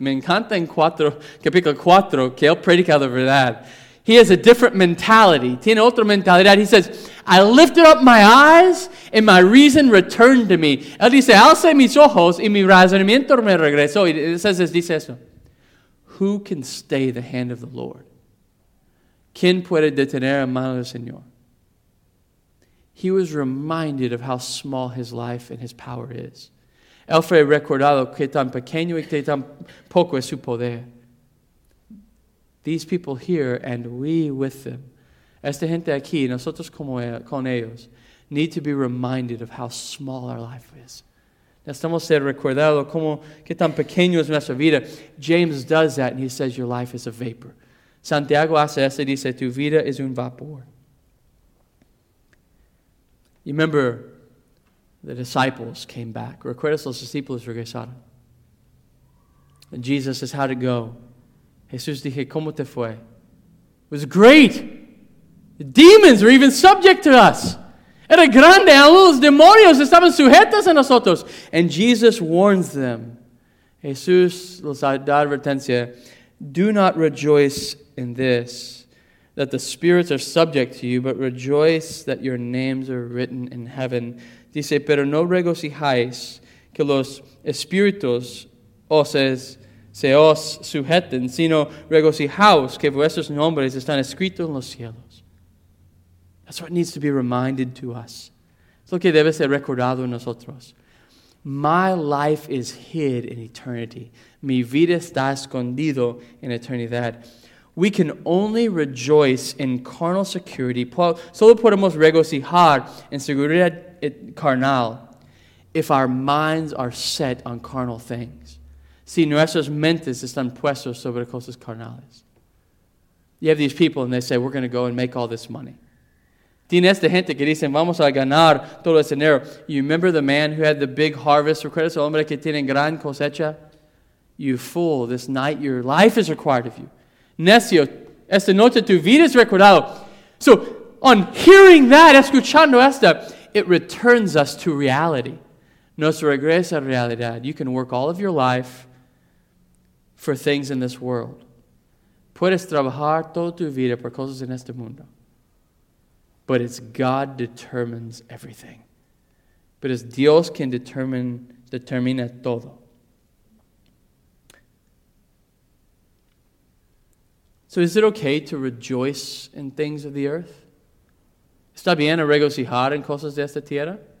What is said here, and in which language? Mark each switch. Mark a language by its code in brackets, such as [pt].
[es] Me encanta en capítulo 4, que él predica la verdad. [en] He has a different mentality. [es] Tiene otra mentalidad. [en] He says, I lifted up my eyes, and my reason returned to me. [es] Él dice, alce mis ojos, y mi razonamiento me regresó. Y dice eso. [en] Who can stay the hand of the Lord? [es] ¿Quién puede detener la mano del Señor? [en] He was reminded of how small his life and his power is. [es] Él fue recordado que tan pequeño y que tan poco es su poder. [en] These people here and we with them, [es] esta gente aquí, nosotros como con ellos, [en] need to be reminded of how small our life is. [es] Necesitamos ser recordado como que tan pequeño es nuestra vida. [en] James does that and he says your life is a vapor. [es] Santiago hace eso y dice, tu vida es un vapor. [en] You remember the disciples came back. [es] ¿Recuerdas los discípulos regresaron? [en] And Jesus says, how'd it go? [es] Jesús dije, ¿cómo te fue? [en] It was great. The demons were even subject to us. [es] Era grande, los demonios estaban sujetos a nosotros. [en] And Jesus warns them. [es] Jesús les da advertencia, [en] do not rejoice in this, that the spirits are subject to you, but rejoice that your names are written in heaven. [es] Dice, pero no regocijáis que los espíritus os es se os sujeten, sino regocijaos que vuestros nombres están escritos en los cielos. [en] That's what needs to be reminded to us. [es] Es lo que debe ser recordado en nosotros. [en] My life is hid in eternity. [es] Mi vida está escondido en eternidad. [en] We can only rejoice in carnal security. [es] Solo podemos regocijar en seguridad carnal [en] if our minds are set on carnal things. [es] Si nuestras mentes están puestas sobre cosas carnales. [en] You have these people and they say, we're going to go and make all this money. [es] Tienes esta gente que dicen, vamos a ganar todo ese dinero. [en] You remember the man who had the big harvest? [es] ¿Recuerdas el hombre que tiene gran cosecha? [en] You fool, this night your life is required of you. [es] Necio, esta noche tu vida es recordado. [en] So, on hearing that, [es] escuchando esta, [en] it returns us to reality. [es] Nos regresa a realidad. [en] You can work all of your life for things in this world. [es] Puedes trabajar toda tu vida por cosas en este mundo. [en] But it's God determines everything. But it's [es] Dios quien determina todo. [en] So is it okay to rejoice in things of the earth? [es] ¿Está bien regocijar en cosas de esta tierra?